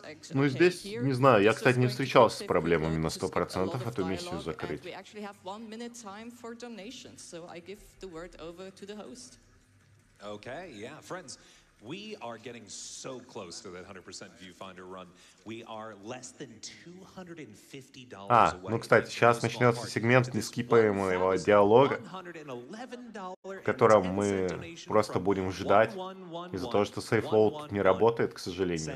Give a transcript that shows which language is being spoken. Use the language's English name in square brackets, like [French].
[Russian] Ну и здесь, не знаю, я, кстати, не встречался с проблемами на 100% эту миссию закрыть. [English] We are getting so close to that 100% viewfinder run. We are less than $250 away. [Russian] Ну, кстати, сейчас начнется сегмент нескипаемого диалога, в котором мы просто будем ждать из-за того, что safe load тут не работает, к сожалению.